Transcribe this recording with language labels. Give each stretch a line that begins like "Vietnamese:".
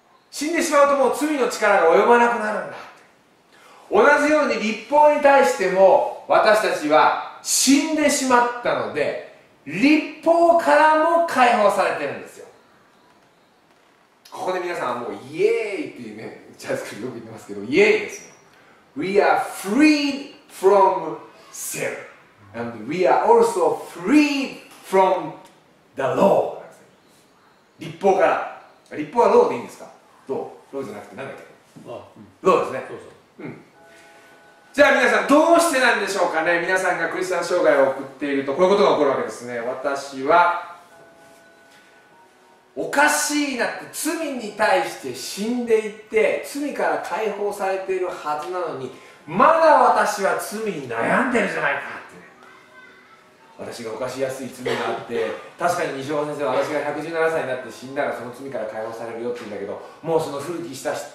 Japanese: 死んでしまうともう罪の力が及ばなくなるんだ。同じように律法に対しても私たちは死んでしまったので、律法からも解放されてるんですよ。ここで皆さんはもうイエーイっていうね、チャイスクリーよく言ってますけど、イエーイですよ。
English: We are freed from sin and we are also freed from the law。
Japanese: 律法から、律法はローでいいんですか。ローじゃなくて何だっけ、ローですね。そうそう、うん。じゃあ皆さんどうしてなんでしょうかね。皆さんがクリスチャン生涯を送っているとこういうことが起こるわけですね。私はおかしいなって、罪に対して死んでいて罪から解放されているはずなのに、まだ私は罪に悩んでるじゃないかって、ね、私が犯しやすい罪があって、確かに西岡先生は私が117歳になって死んだらその罪から解放されるよって言うんだけど、もうその古き人